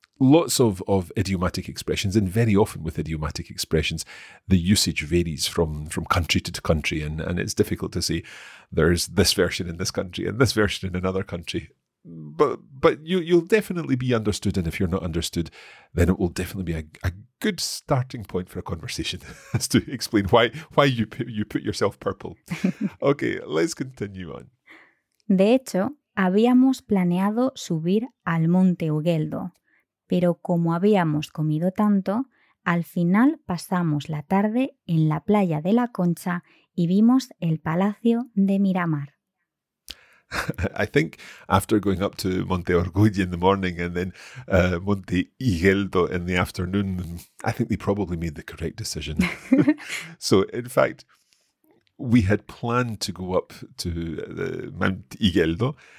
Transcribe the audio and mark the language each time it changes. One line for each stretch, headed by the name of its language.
English: Lots of idiomatic expressions, and very often with idiomatic expressions, the usage varies from country to country, and it's difficult to say there's this version in this country and this version in another country. But you'll definitely be understood, and if you're not understood, then it will definitely be a good starting point for a conversation as to explain why you put yourself purple. Okay, let's continue on.
Spanish: De hecho, habíamos planeado subir al Monte Ugueldo. Pero como habíamos comido tanto, al final pasamos la tarde en la playa de la Concha y vimos el Palacio de Miramar.
English: I think after going up to Monte Orgullo in the morning and then Monte Igeldo in the afternoon, I think they probably made the correct decision. So in fact, we had planned to go up to Mount Igeldo.